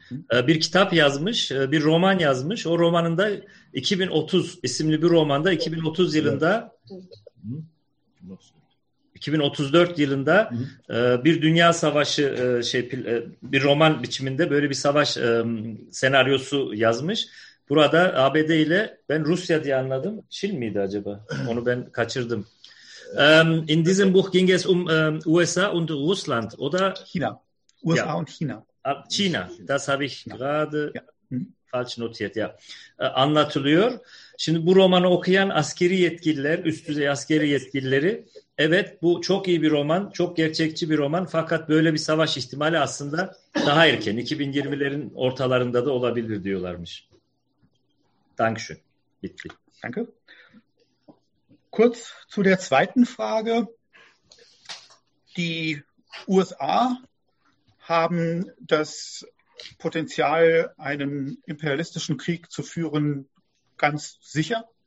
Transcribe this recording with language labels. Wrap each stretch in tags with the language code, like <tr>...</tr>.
<tr>Bir kitap yazmış, bir roman yazmış. O romanında 2030 isimli bir romanda 2030 yılında, 2034 yılında bir dünya savaşı şey bir roman biçiminde böyle bir savaş senaryosu yazmış. Burada ABD ile ben Rusya diye anladım. Çin miydi acaba? Onu ben kaçırdım.</tr> <de>In diesem Buch ging es USA und Russland.</de> <tr>O da</tr> <de>China. USA ja. Und China. China, das habe ich gerade falsch notiert, ja.</de> <tr>Anlatılıyor. Şimdi bu romanı okuyan askeri yetkililer, üst düzey askeri yetkilileri, evet bu çok iyi bir roman, çok gerçekçi bir roman, fakat böyle bir savaş ihtimali aslında daha erken, 2020'lerin ortalarında da olabilir diyorlarmış.</tr> <de>Dankeschön.</de> <tr>Bitti.</tr> <de>Danke. Kurz zu der zweiten Frage. Die USA haben das Potenzial, einen imperialistischen Krieg zu führen, ganz sicher.</de>